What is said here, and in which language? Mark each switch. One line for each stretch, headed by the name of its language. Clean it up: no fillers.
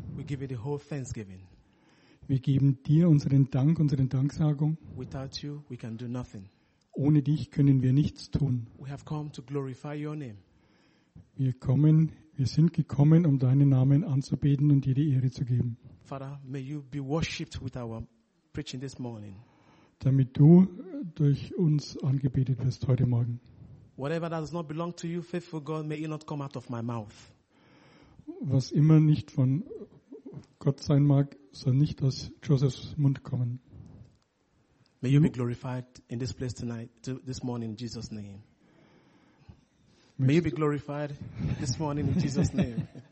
English: We give you the whole thanksgiving.
German: Wir geben dir unseren Dank, unsere Danksagung.
English: Without you, we can do nothing.
German: Ohne dich können wir nichts tun.
English: We have come to glorify your name.
German: Wir sind gekommen, um deinen Namen anzubeten und dir die Ehre zu geben.
English: Father, may you be worshipped with our preaching this morning.
German: Damit du durch uns angebetet wirst heute Morgen.
English: Whatever does not belong to you, faithful God, may it not come out of my mouth.
German: Was immer nicht von Gott sein mag, soll nicht aus Josephs Mund kommen.
English: May you be glorified in this place tonight, this morning, in Jesus' name. May you be glorified this morning in Jesus' name.